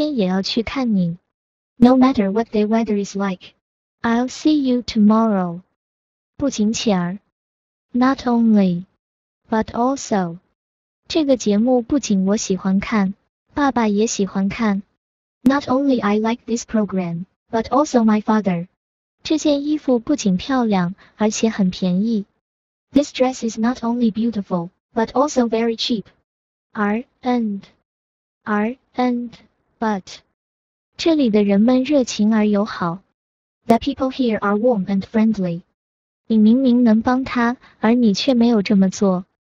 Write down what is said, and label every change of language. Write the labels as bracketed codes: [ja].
[zh] 不管天气怎么样,我明天也要去看你。 [en] No matter what the weather is like, I'll see you tomorrow. 不仅且而, not only, but also. [zh] 这个节目不仅我喜欢看,爸爸也喜欢看。 [en] Not only I like this program, but also my father. [zh] 这件衣服不仅漂亮,而且很便宜。 [en] This dress is not only beautiful, but also very cheap. And, but. [zh] 这里的人们热情而友好。 [en] The people here are warm and friendly. [zh] 你明明能帮他,而你却没有这么做。